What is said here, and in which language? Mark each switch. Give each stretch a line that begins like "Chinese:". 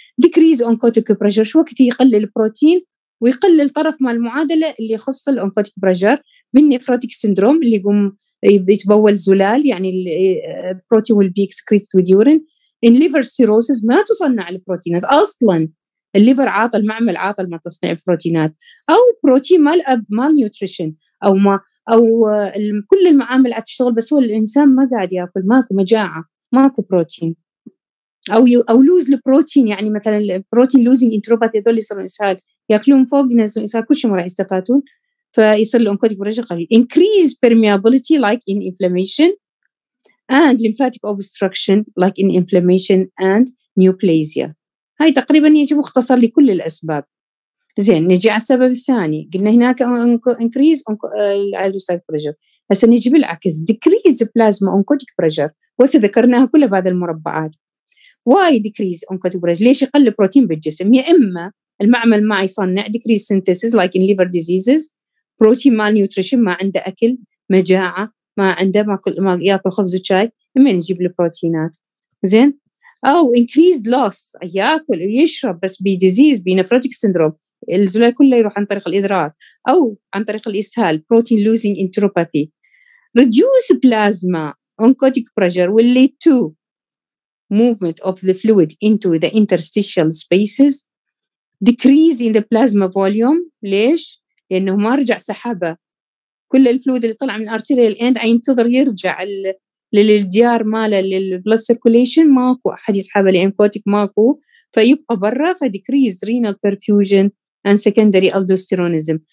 English: Decrease oncotic pressure
Arabic: شو وقت يقلل البروتين ويقلل الطرف مع المعادلة اللي يخص oncotic pressure من nephrotic syndrome اللي يقوم يتبول زلال يعني البروتين
English: will be excreted with urine. In liver cirrhosis
Arabic: ما تصنع البروتينات أصلا، الليفر عاطل، معمل عاطل ما تصنع البروتينات، أو بروتين مال malnutrition أو ما أو كل المعامل عاد تشتغل بس هو الإنسان ما قاعد يأكل، ماكو مجاعة، ماكو بروتين، أو
English: lose the protein
Arabic: يعني مثلاً protein losing enteropathy هذول يصير إسهال يأكلون فوق ينزلون إسهال كل شيء ما راح يستفادون فيصير الأنكوتيك برجع خلي.
English: Increase permeability like in inflammation and lymphatic obstruction like in inflammation and neoplasia.
Arabic: هاي تقريباً يجي مختصر لكل الأسباب. زين نجي على السبب الثاني، قلنا هناك
English: increase hydrostatic pressure،
Arabic: هسا نجي بالعكس
English: decrease plasma oncotic pressure
Arabic: وسذكرناها كلها بعد المربعات.
English: Why decrease oncotic pressure؟
Arabic: ليش يقل بروتين بالجسم؟ يا إما المعمل ما يصنع
English: decrease synthesis like in liver diseases،
Arabic: protein malnutrition ما عنده أكل، مجاعة، ما عنده ما يأكل خبز وشاي، إما نجيب البروتينات. زين؟ أو
English: increase loss،
Arabic: يأكل ويشرب بس بي disease بي nephrotic syndrome، الزلال كله يروح عن طريق الإدرار، أو عن طريق الإسهال، protein losing enteropathy.
English: Reduce plasma oncotic pressure will lead to movement of the fluid into the interstitial spaces, decrease in the plasma volume.
Arabic: ليش؟ لأنه ما رجع سحبه كل الفلويد اللي طلع من arterial end ينتظر يرجع للديار ماله للblood circulation، ماكو أحد يسحبه لأنكوتيك ماكو فيبقى برا، ف
English: decrease renal perfusion and secondary aldosteronism.